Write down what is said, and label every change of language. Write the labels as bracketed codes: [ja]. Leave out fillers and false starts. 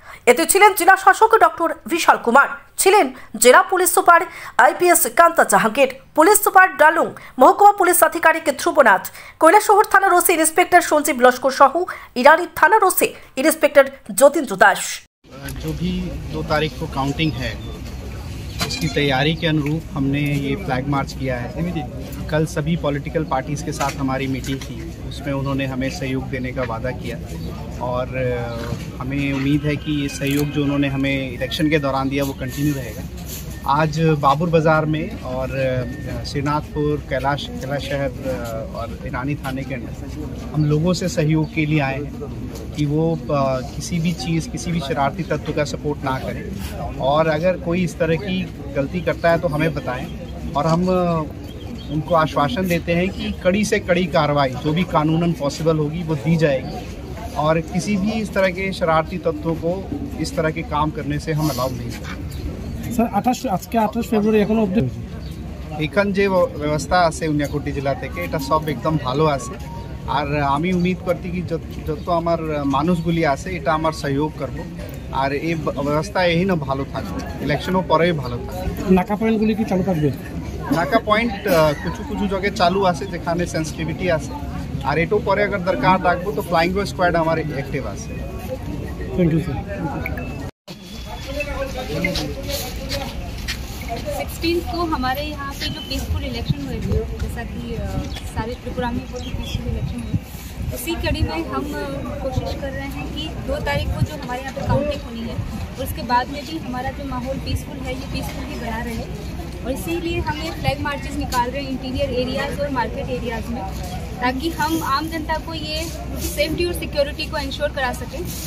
[bn] এতে ছিলেন জেলা শাসক ডক্টর বিশাল কুমার, ছিলেন জেলা police super IPS Kanta Jahangir, police super ডালুং, মহকুমা পুলিশ আধিকারিক ধ্রুবনাথ, কৈলাসহর থানার ওসি ইন্সপেক্টর সঞ্জীব লস্কর সহ ইরানি থানার ওসি ইন্সপেক্টর যতীন্দ্র দাস। [hi] जो भी 2 तारीख को काउंटिंग है उसकी तैयारी के अनुरूप हमने ये फ्लैग मार्च किया है। कल सभी पॉलिटिकल पार्टीज़ के साथ हमारी मीटिंग थी, उसमें उन्होंने हमें सहयोग देने का वादा किया और हमें उम्मीद है कि ये सहयोग जो उन्होंने हमें इलेक्शन के दौरान दिया वो कंटिन्यू रहेगा। आज बाबुर बाज़ार में और श्रीनाथपुर, कैलाश शहर और ईरानी थाने के अंदर हम लोगों से सहयोग के लिए आए हैं कि वो किसी भी चीज़, किसी भी शरारती तत्व का सपोर्ट ना करें और अगर कोई इस तरह की गलती करता है तो हमें बताएं और हम उनको आश्वासन देते हैं कि कड़ी से कड़ी कार्रवाई जो भी कानूनन पॉसिबल होगी वो दी जाएगी और किसी भी इस तरह के शरारती तत्वों को इस तरह के काम करने से हम अलाउ नहीं करें। [bn] স্যার, 28 ফেব্রুয়ারি এখনো অবধি এখান যে ব্যবস্থা আছে উনিয়াকুটি জেলা থেকে এটা সব একদম ভালো আছে আর আমি উম্মিদ করছি কি যত আমার মানুষগুলি আছে এটা আমার সহযোগ করবো আর এই ব্যবস্থা এই না ভালো থাকবে, ইলেকশনও পরেই ভালো থাকবে। নাকা পয়েন্টগুলি কি চালু থাকবে? নাকা পয়েন্ট কিছু কিছু জায়গায় চালু আছে যেখানে সেন্সিটিভিটি আছে আর এটাও পরে আগে দরকার থাকবো তো ফ্লাইং স্কোয়াড আমার অ্যাক্টিভ আছে। Thank you sir. [hi] 16 को हमारे यहाँ पे जो पीसफुल इलेक्शन हुए थे, जैसा कि सारे त्रिपुरा में बहुत ही पीसफुल इलेक्शन हुए, उसी कड़ी में हम कोशिश कर रहे हैं कि 2 तारीख को जो हमारे यहाँ पे काउंटिंग होनी है उसके बाद में भी हमारा जो माहौल पीसफुल है ये पीसफुल ही बना रहे और इसीलिए हम ये फ्लैग मार्चेस निकाल रहे हैं इंटीरियर एरियाज और मार्केट एरियाज में, ताकि हम आम जनता को ये सेफ्टी और सिक्योरिटी को इंश्योर करा सकें।